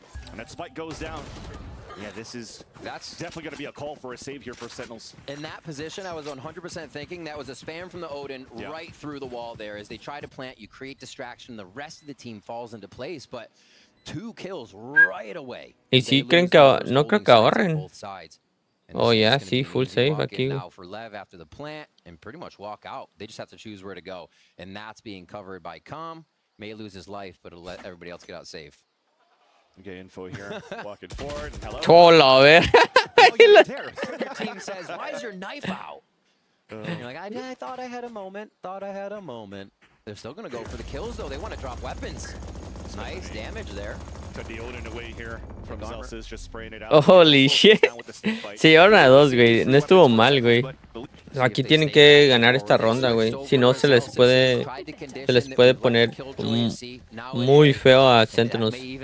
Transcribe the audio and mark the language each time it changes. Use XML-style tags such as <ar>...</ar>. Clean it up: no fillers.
<en>And that spike goes down. Yeah, this is that's definitely going to be a call for a save here for Sentinels. In that position, I was 100% thinking that was a spam from the Odin yeah. right through the wall there. As they try to plant, you create distraction. The rest of the team falls into place, but two kills right away.</en> <es>¿Y si creen que no creo que ahorren?</es> <en>Oh, yeah,</en> <es>sí, full save aquí.</es> <en>Now for Lev after the plant and pretty much walk out. They just have to choose where to go. And that's being covered by Calm. May lose his life, but it'll let everybody else get out safe. Get info here. Walking forward. Hello. Tola, oh, there. Your team says, why is your knife out? And you're like, I thought I had a moment. Thought I had a moment. They're still going to go for the kills, though. They want to drop weapons. So nice funny. Damage there. Took the Odin away here from Zelsus, just spraying it out. Holy shit.</en> <es>Se llevaron a dos, güey. No estuvo mal, güey. Aquí tienen que ganar esta ronda, güey. Si no, se les puede poner muy feo a Sentinels.</es>